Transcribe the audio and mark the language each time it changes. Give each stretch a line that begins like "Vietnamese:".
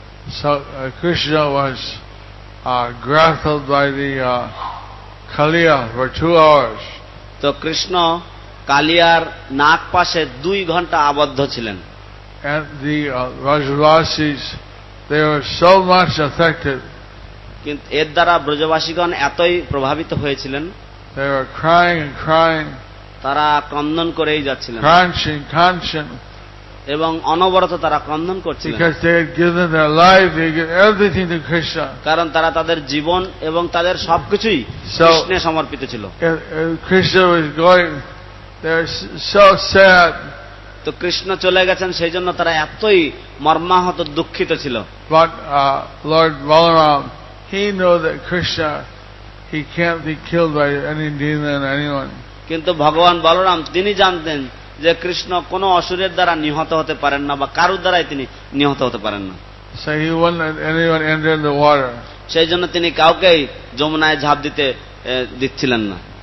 English: So Krishna was grappled by the Kaliya for 2 hours.
Bangla: To Krishna Kaliyar nak pashe 2 ghonta abaddho chilen.
English: And the Vrajavasis, they were so much affected.
Bangla: কিন্তু এর দ্বারা ব্রজবাসীগণ এতই প্রভাবিত হয়েছিলেন।
English: They were crying and crying.
Bangla: তারা ক্রন্দন করেই যাচ্ছিলেন।
English: Crunching, crunching.
Bangla: এবং অনবরত তারা ক্রন্দন করছিলেন।
English: Because they had given their life, they gave everything to Krishna.
Bangla: কারণ তারা তাদের জীবন এবং তাদের সবকিছুই কৃষ্ণে সমর্পিত ছিল।
English: Krishna was going, they were so sad.
Bangla: তো কৃষ্ণ চলে গেছেন সেই জন্য তারা এতই মর্মাহত দুঃখিত ছিল।
English: But Lord Balaram, he knew that Krishna, he can't be killed by any demon, anyone.
Bangla: কিন্তু ভগবান বলরাম তিনি জানতেন যে কৃষ্ণ কোন অসুরের দ্বারা নিহত হতে পারেন না বা কারুর দ্বারাই তিনি নিহত হতে পারেন না।
English: So he wouldn't let anyone enter the water.
Bangla: সেই জন্য তিনি কাউকেই যমুনায় ঝাঁপ দিতে দিচ্ছিলেন না।